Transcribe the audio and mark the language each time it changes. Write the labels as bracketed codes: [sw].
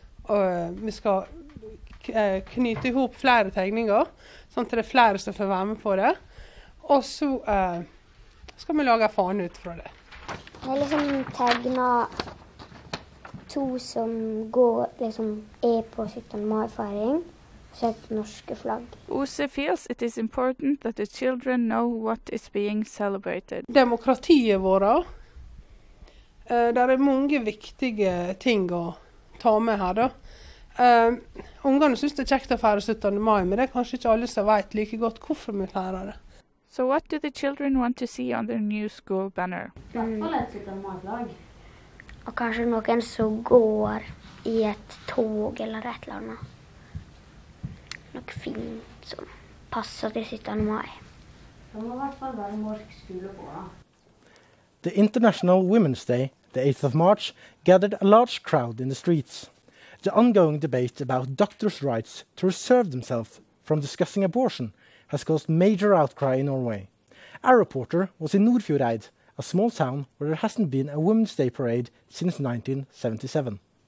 [no] Og vi skal knyte ihop flere tegninger, sånn at det er flere som får være med på det. Og så skal vi lage fane ut fra det. Det er liksom tegnet to som går, liksom, på 17. mai-feiring, så er det norske flagg. [en] Ose feels it is important that the children know what is being celebrated. [no] Demokratiet vårt, der er mange viktige ting å ta med her. Ungene synes det kjekt å feire 17. mai, men det er kanskje ikke alle som vet like godt hvorfor vi feirer det. [en] So what do the children want to see on their new school banner? [no] Og kanskje noen som går I et tog eller et eller annet. Noe fint som passer til 17. mai. Det må I hvert fall være Mork skole på da. [en] The International Women's Day, the 8th of March, gathered a large crowd in the streets. The ongoing debate about doctors' rights to reserve themselves from discussing abortion has caused major outcry in Norway. Our reporter was in Nordfjordeid, a small town where there hasn't been a Women's Day parade since 1977.